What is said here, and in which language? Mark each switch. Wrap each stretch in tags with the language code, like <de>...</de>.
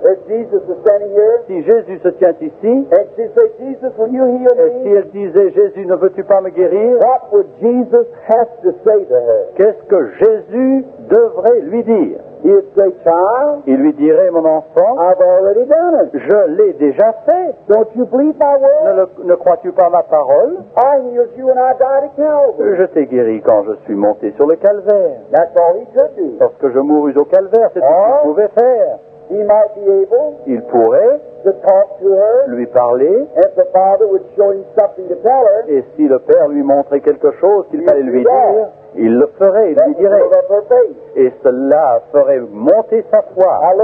<en>If Jesus is standing here.</en> <fr>Si Jésus se tient ici.</fr> <en>And she say, Jesus, will you heal me?</en> <fr>Et si elle disait, Jésus, ne veux-tu pas me guérir?</fr> <en>What would Jesus have to say to her?</en> <fr>Qu'est-ce que Jésus devrait lui dire?</fr> <en>He'd say, child.</en> <fr>Il lui dirait, mon enfant.</fr> <en>I've already done it.</en> <fr>Je l'ai déjà fait.</fr> <en>Don't you believe my word?</en> <fr>Ne crois-tu pas ma parole?</fr> <en>I healed you when I died at Calvary.</en> <fr>Je t'ai guéri quand je suis monté sur le calvaire.</fr> <en>That's all he could do.</en> <fr>Parce que je mourus au calvaire, c'est tout ce qu'il pouvait faire.</fr> <en>He might be able.</en> <fr>Il pourrait.</fr> <en>To talk to her.</en> <fr>Lui parler.</fr> <en>If the father would show him something to tell her.</en> <fr>Et si le père lui montrait quelque chose qu'il fallait lui dire. Il le ferait, il lui dirait. Et cela ferait monter sa foi.</fr>